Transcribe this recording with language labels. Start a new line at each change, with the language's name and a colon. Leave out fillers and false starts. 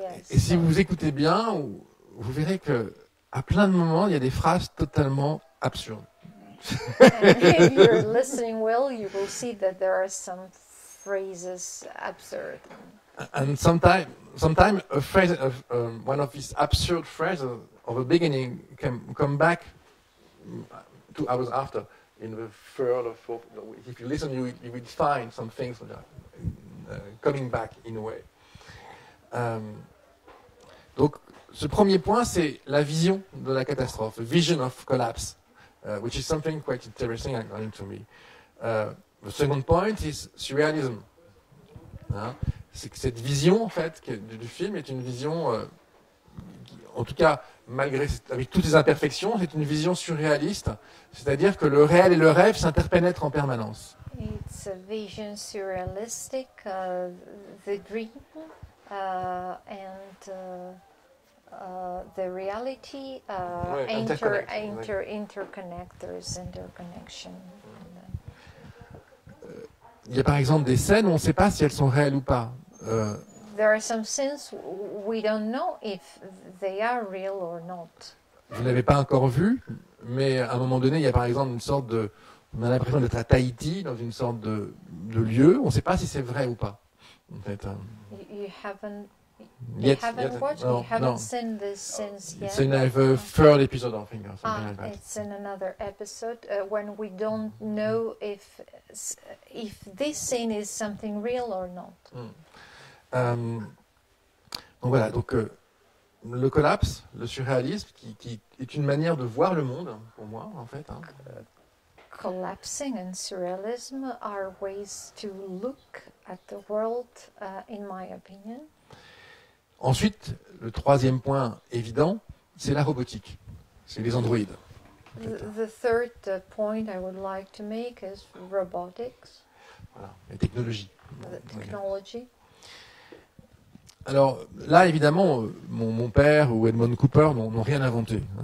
French: Et si vous écoutez bien, vous verrez que à plein de moments, il y a des phrases totalement absurdes.
English: If you're listening well, you will see that there are some phrases absurd. And sometimes a phrase, one of these absurd phrases of a beginning can come back 2 hours after in the third or fourth. If you listen, you will find some things that are coming back in a way.
French: Donc, ce premier point, c'est la vision de la catastrophe,
English: the vision of collapse, which is something quite interesting, according to me. The second point is surrealism.
French: C'est que cette vision, en fait, du film est une vision, en tout cas, avec toutes les imperfections, c'est une vision surréaliste, c'est-à-dire que le réel et le rêve s'interpénètrent en permanence.
English: It's a vision surrealistic, the dream, the reality, interconnect, there is interconnection.
French: Il y a par exemple des scènes où on ne sait pas si elles sont réelles ou pas.
English: There are some scenes we don't know if they are real or not.
French: Vous ne l'avez pas encore vu, mais à un moment donné, il y a par exemple une sorte de... On a l'impression d'être à Tahiti, dans une sorte de lieu. On ne sait pas si c'est vrai ou pas. En fait,
English: You haven't seen this since yet. It's in another third episode, I think, or something like that. It's in another episode when we don't know if this scene is something real or not.
French: Donc voilà. Donc le collapse, le surréalisme, qui est une manière de voir le monde, pour moi, en fait.
English: Collapsing and surrealism are ways to look at the world, in my opinion.
French: Ensuite, le troisième point évident, c'est la robotique, c'est les androïdes.
English: The third point I would like to make is robotics.
French: Voilà, la technologie.
English: The technology.
French: Alors là, évidemment, mon père ou Edmund Cooper n'ont rien inventé.